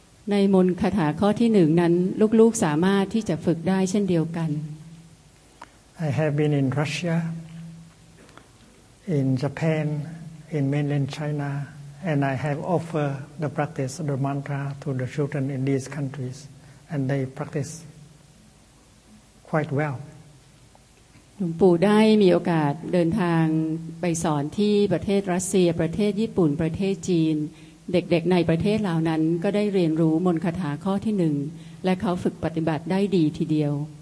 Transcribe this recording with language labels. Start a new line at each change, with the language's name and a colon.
Thai: ในมนต์คาถาข้อที่หนึ่งนั้นลูกๆสามารถที่จะฝึกได้เช่นเดียวกัน
English: I have been in Russia, in Japan, in mainland China, and I have offered the practice of the mantra to the children in these countries, and they practice quite well.
Thai: หลวงปู่ได้มีโอกาสเดินทางไปสอนที่ประเทศรัสเซียประเทศญี่ปุ่นประเทศจีนเด็กๆในประเทศเหล่านั้นก็ได้เรียนรู้มนต์คาถาข้อที่หนึ่งและเขาฝึกปฏิบัติได้ดีทีเดียว